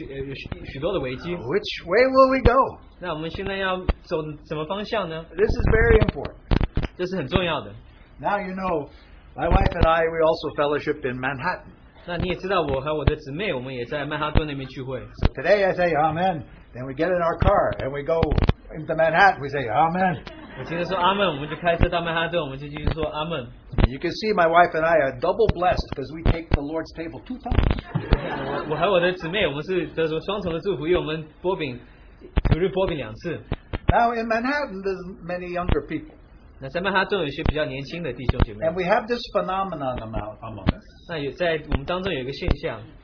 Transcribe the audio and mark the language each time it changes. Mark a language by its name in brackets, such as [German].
[Chinese] 那这个聚会也是面临了许多的危机。 [English] Which way will we go? [Chinese] 那我们现在要走什么方向呢? [English] This is very important. [Chinese] 这是很重要的。 [English] Now you know, my wife and I, we also fellowship in Manhattan. [Chinese] 那你也知道我和我的姊妹，我们也在曼哈顿那边聚会。 [English] So today I say Amen, then we get in our car and we go into Manhattan. We say Amen. [Chinese] 我今天说阿们，我们就开车到曼哈顿，我们就继续说阿们。 [English] You can see my wife and I are double blessed because we take the Lord's table 2 times. [Chinese] 我和我的姊妹，我们是得说双重的祝福，因为我们主日波饼两次。 [English] Now in Manhattan, there's many younger people. [Chinese] 那在曼哈顿有些比较年轻的弟兄姐妹。 [English] And we have this phenomenon among us. [Chinese] 那有在我们当中有一个现象。